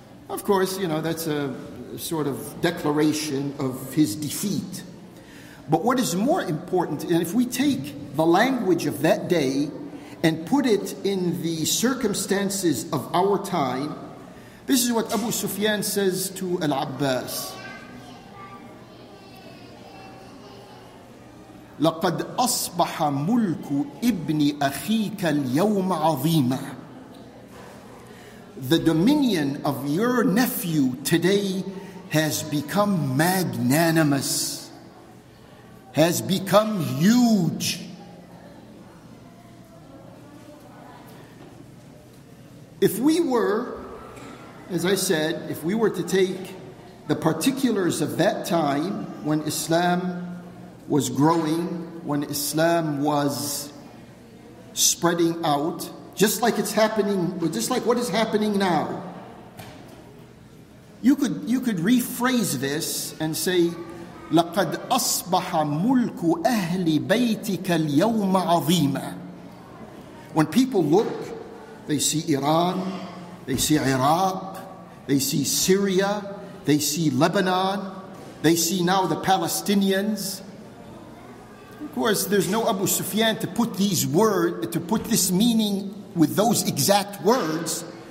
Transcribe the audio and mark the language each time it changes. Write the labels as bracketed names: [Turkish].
[English] Of course, you know, that's a sort of declaration of his defeat. But what is more important, and if we take the language of that day and put it in the circumstances of our time, this is what Abu Sufyan says to Al-Abbas. [Arabic] لقد أصبح ملك ابن أخيك اليوم عظيما. [English] The dominion of your nephew today has become magnanimous, has become huge. If we were, as I said, if we were to take the particulars of that time when Islam was growing, when Islam was spreading out, just like it's happening, just like what is happening now. You could rephrase this and say, [Arabic] لَقَدْ أَصْبَحَ مُلْكُ أَهْلِ بَيْتِكَ الْيَوْمَ عَظِيمًا. [English] When people look, they see Iran, they see Iraq, they see Syria, they see Lebanon, they see now the Palestinians. Of course, there's no Abu Sufyan to put these words, to put this meaning with those exact words.